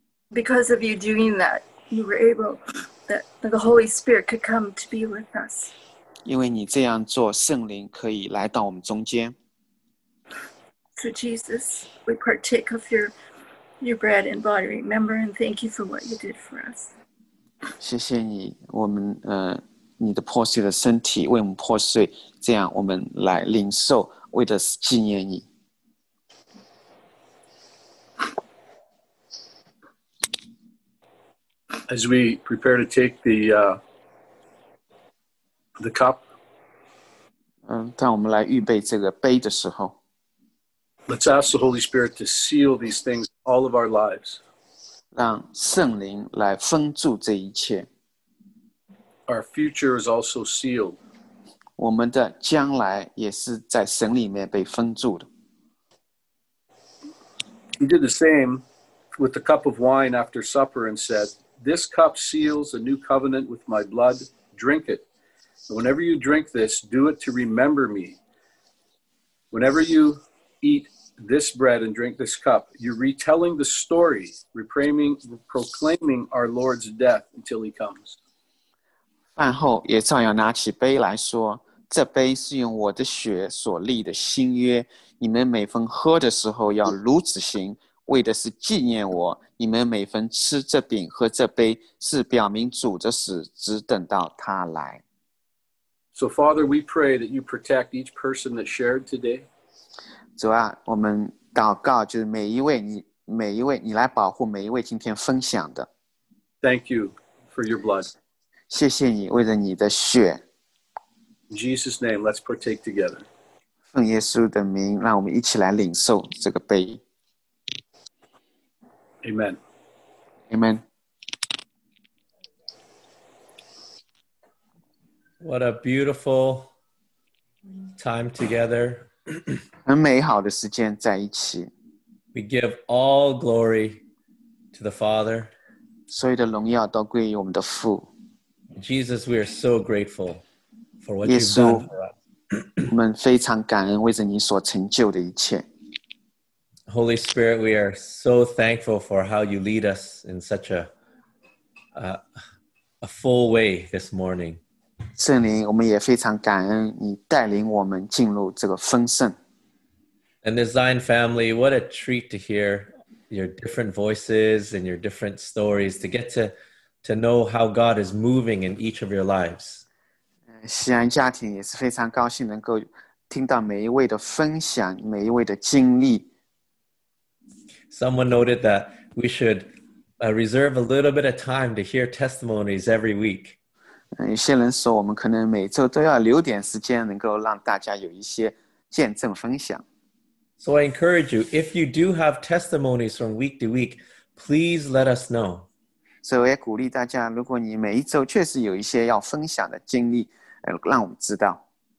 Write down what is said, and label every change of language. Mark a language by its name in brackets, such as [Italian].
[English] Because of you doing that, you were able that the Holy Spirit could come to be with us. [Chinese] 因为你这样做，圣灵可以来到我们中间。 [English] So Jesus, we partake of your bread and body. Remember and thank you for what you did for us. [Chinese] 谢谢你，我们你的破碎的身体为我们破碎，这样我们来领受，为的是纪念你。 [English] As we prepare to take the cup. [Chinese] 当我们来预备这个杯的时候。 [English] Let's ask the Holy Spirit to seal these things all of our lives. [Chinese] 让圣灵来封住这一切。 [English] Our future is also sealed. [Chinese] 我们的将来也是在神里面被封住的。 [English] He did the same with the cup of wine after supper and said, "This cup seals a new covenant with my blood. Drink it." Whenever you drink this, do it to remember me. Whenever you eat this bread and drink this cup, you're retelling the story, proclaiming our Lord's death until he comes. [Chinese] 饭后也照样拿起杯来说，这杯是用我的血所立的新约，你们每逢喝的时候要如此行，为的是纪念我。你们每逢吃这饼喝这杯，是表明主的死，只等到他来。 [English] So Father, we pray that you protect each person that shared today. [Chinese] 主啊，我们祷告就是每一位你来保护每一位今天分享的。 [English] Thank you for your blood. [Chinese] 谢谢你为了你的血。 [English] In Jesus' name, let's partake together. [Chinese] 奉耶稣的名，让我们一起来领受这个杯。 [English] Amen. Amen. What a beautiful time together. [Chinese] 很美好的时间在一起。 [English] We give all glory to the Father. [Chinese] 所有的荣耀都归于我们的父。 [English] Jesus, we are so grateful for what you've done for us. [Chinese] 我们非常感恩为着你所成就的一切。 [English] Holy Spirit, we are so thankful for how you lead us in such a full way this morning. [Chinese] 圣灵，我们也非常感恩你带领我们进入这个丰盛。 [English] And the Zion family, what a treat to hear your different voices and your different stories to get to know how God is moving in each of your lives. [Chinese] 西安家庭也是非常高兴能够听到每一位的分享，每一位的经历。 [English] Someone noted that we should reserve a little bit of time to hear testimonies every week. [Chinese] 有些人说我们可能每周都要留点时间能够让大家有一些见证分享。 [English] So I encourage you, if you do have testimonies from week to week, please let us know. [Chinese] 所以我也鼓励大家，如果你每一周确实有一些要分享的经历，让我们知道。